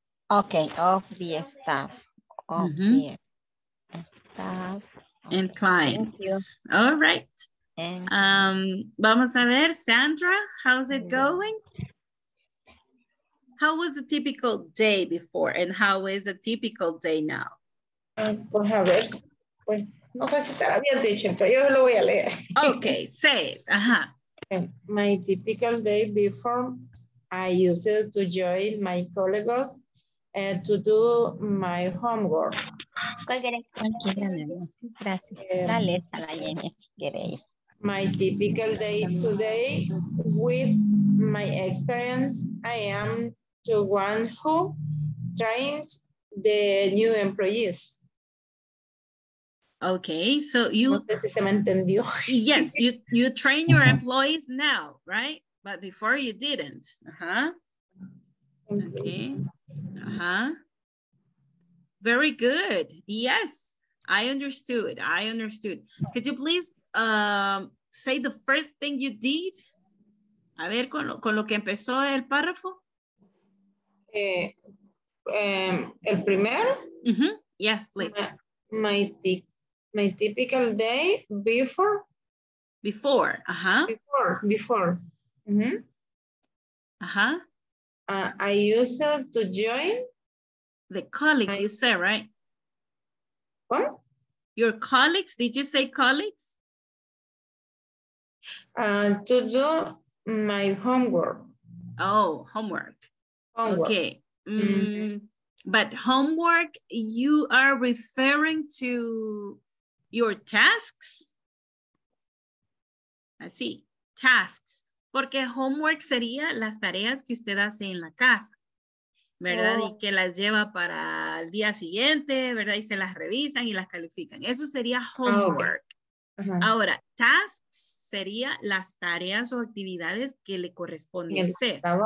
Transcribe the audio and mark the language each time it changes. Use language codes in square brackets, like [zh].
[en] Okay, of the staff. Of the staff. Okay. And clients. Thank you. All right. [es] Vamos a ver, Sandra, [en] how's it going? How was the typical day before and how is the typical day now? [es] Pues a ver. No sé si estará bien dicho, pero yo lo voy a leer. [en] Okay, say it. My typical day before, I used to join my colleagues and to do my homework. My typical day today, with my experience, I am the one who trains the new employees. Okay, so you. [es] No sé si se me entendió. [en] Yes, you train your employees now, right? But before you didn't. Okay. Very good. Yes, I understood. I understood. Could you please say the first thing you did? [es] A ver, con lo que empezó el párrafo. El primero. [en] Yes, please. My typical day before? Before, Before. I used to join? The colleagues, you said, right? What? Your colleagues, did you say colleagues? To do my homework. Oh, homework. Okay. But homework, you are referring to your tasks? [es] Así, tasks. Porque homework sería las tareas que usted hace en la casa, ¿verdad? Oh. Y que las lleva para el día siguiente, ¿verdad? Y se las revisan y las califican. Eso sería homework. [en] Oh, okay. [es] Ahora, tasks sería las tareas o actividades que le corresponde hacer.